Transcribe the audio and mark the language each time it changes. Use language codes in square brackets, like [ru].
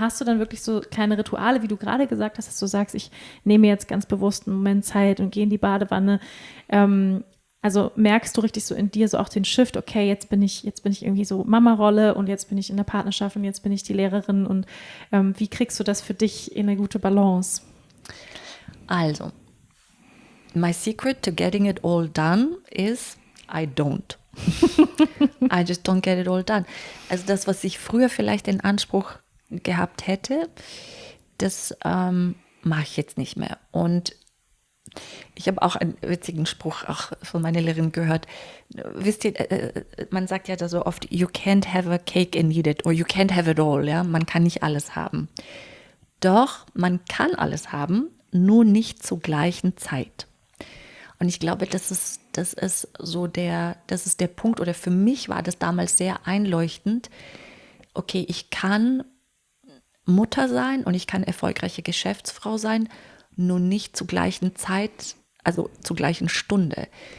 [de] Hast du dann wirklich so kleine Rituale, wie du gerade gesagt hast, dass du sagst, ich nehme jetzt ganz bewusst einen Moment Zeit und gehe in die Badewanne? Also merkst du richtig so in dir so auch den Shift, okay, jetzt bin ich irgendwie so Mama-Rolle und jetzt bin ich in der Partnerschaft und jetzt bin ich die Lehrerin und wie kriegst du das für dich in eine gute Balance? [en] Also, my secret to getting it all done is I don't. I just don't get it all done. [de] Also das, was ich früher vielleicht in Anspruch gehabt hätte, das mache ich jetzt nicht mehr. Und ich habe auch einen witzigen Spruch auch von meiner Lehrerin gehört. Wisst ihr, man sagt ja da so oft, [en] you can't have a cake and eat it or you can't have it all. [de] Ja? Man kann nicht alles haben. Doch, man kann alles haben, nur nicht zur gleichen Zeit. Und ich glaube, das ist der Punkt, oder für mich war das damals sehr einleuchtend. Okay, ich kann Mutter sein und ich kann erfolgreiche Geschäftsfrau sein, nur nicht zur gleichen Zeit, also zur gleichen Stunde.